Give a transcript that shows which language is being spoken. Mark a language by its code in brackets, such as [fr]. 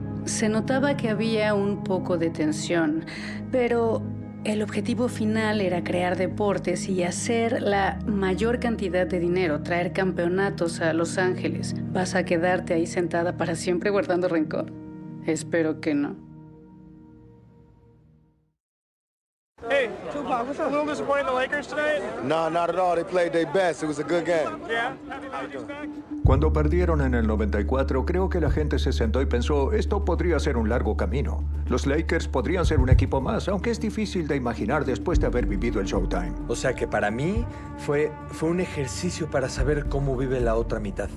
[es] Se notaba que había un poco de tensión, pero... El objetivo final era crear deportes y hacer la mayor cantidad de dinero, traer campeonatos a Los Ángeles. ¿Vas a quedarte ahí sentada para siempre guardando rencor? Espero que no. [en] Hey, Tupac, what's up? A little disappointed the Lakers tonight? No, not at all. They played their best. It was a good game. Yeah? Happy back? [es] Cuando perdieron en el 94, creo que la gente se sentó y pensó, esto podría ser un largo camino. Los Lakers podrían ser un equipo más, aunque es difícil de imaginar después de haber vivido el Showtime. O sea que para mí fue un ejercicio para saber cómo vive la otra mitad.